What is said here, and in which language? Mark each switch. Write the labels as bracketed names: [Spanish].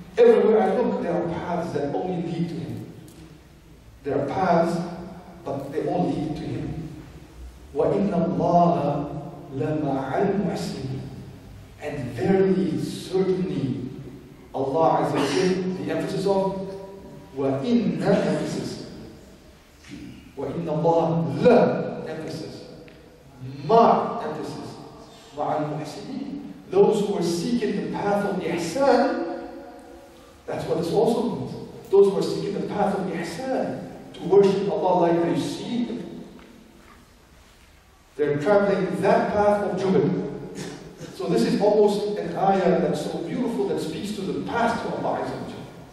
[English] Everywhere I look, there are paths that only lead to him. There are paths, but they all lead to him. [Arabic] وَإِنَّ اللَّهَ لَمَعَ الْمُحْسِنِينَ [English] And verily, certainly, Allah Azza wa Jalla, the emphasis on وَإِنَّ emphasis. [Arabic] وَإِنَّ اللَّهَ لَ [English] emphasis. مَا emphasis. [Arabic] مَعَ الْمُحْسِنِينَ [English] Those who are seeking the path of ihsan, that's what this also means. Those who are seeking the path of ihsan, to worship Allah like they see them. They're traveling that path of jubil. So this is almost an ayah that's so beautiful that speaks to the path to Allah Azza wa Jal.